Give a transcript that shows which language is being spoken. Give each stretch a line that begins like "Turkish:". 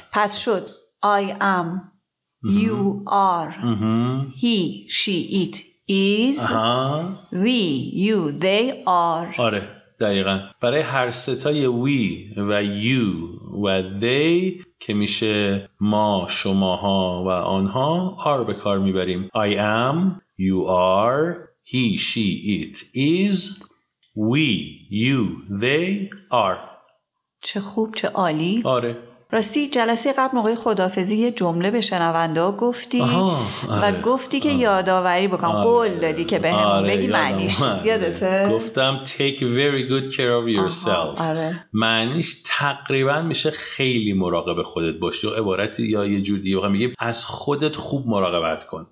English: پس شد I am، you are، he، she، it، is،
Persian: آها.
English: We، you، they are.
Persian: آره دقیقا. برای هر ستای we و you و they که میشه ما، شماها و آنها، are به کار میبریم.
English: I am, you are, he, she, it, is, we, you, they, are.
Persian: چه خوب، چه عالی. آره. راستی جلسه قبل موقع خداحافظی یه جمله به شنونده ها گفتی. آه، آه، و گفتی که یادآوری بکنم. قول دادی که به همون بگی معنیش. یادته؟ گفتم take very good care of yourself. معنیش تقریبا میشه خیلی مراقب خودت باشی، یا عبارتی یا یه جور دیگه میگه از خودت خوب مراقبت کن.